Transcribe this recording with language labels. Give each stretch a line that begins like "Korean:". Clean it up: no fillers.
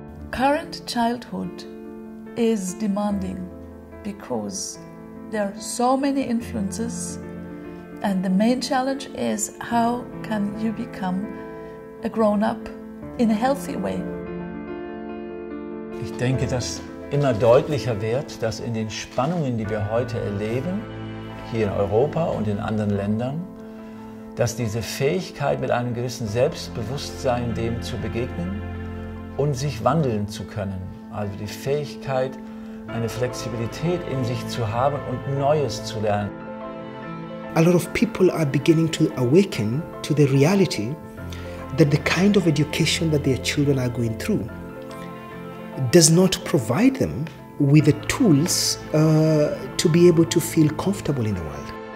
English: Current childhood is demanding because there are so many influences, and the main challenge is how can you become a grown-up in a healthy way.
German: Ich denke, dass immer deutlicher wird, dass in den Spannungen, die wir heute erleben, hier in Europa und in anderen Ländern, dass diese Fähigkeit, mit einem gewissen Selbstbewusstsein dem zu begegnen und sich wandeln zu können, also die Fähigkeit, eine Flexibilität in sich zu haben und Neues zu lernen.
English: A lot of people are beginning to awaken to the reality that the kind of education that their children are going through does not provide them with the tools to be able to feel comfortable in the world.